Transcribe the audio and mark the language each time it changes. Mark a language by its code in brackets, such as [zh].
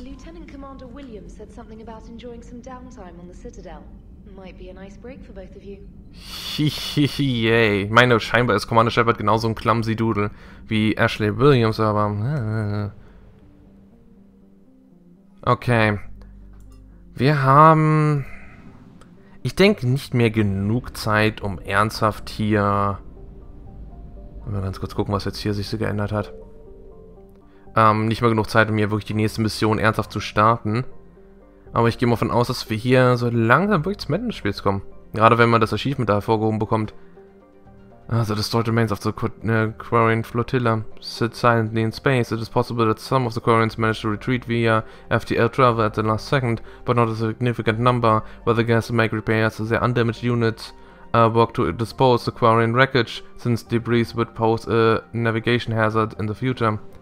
[en] Lieutenant Commander Williams said something about enjoying some downtime on the Citadel. Might be a nice break for both of you. Yay. [de] Ich meine, scheinbar ist Commander Shepard genauso ein [en] clumsy Doodle [de] wie Ashley Williams, aber... Okay. Wir haben... Ich denke, nicht mehr genug Zeit, um ernsthaft hier... Wollen wir ganz kurz gucken, was jetzt hier sich so geändert hat. Nicht mehr genug Zeit, um hier wirklich die nächste Mission ernsthaft zu starten. Aber ich gehe mal davon aus, dass wir hier so langsam wirklich zum Ende des Spiels kommen. Gerade wenn man das Achievement da hervorgehoben bekommt. Also, [en] the Stored Remains of the Quarian Flotilla sit silently in space. It is possible that some of the Quarians managed to retreat via FTL travel at the last second, but not a significant number. While the gas make repairs, their undamaged units work to dispose the Quarian wreckage, since debris would pose a navigation hazard in the future.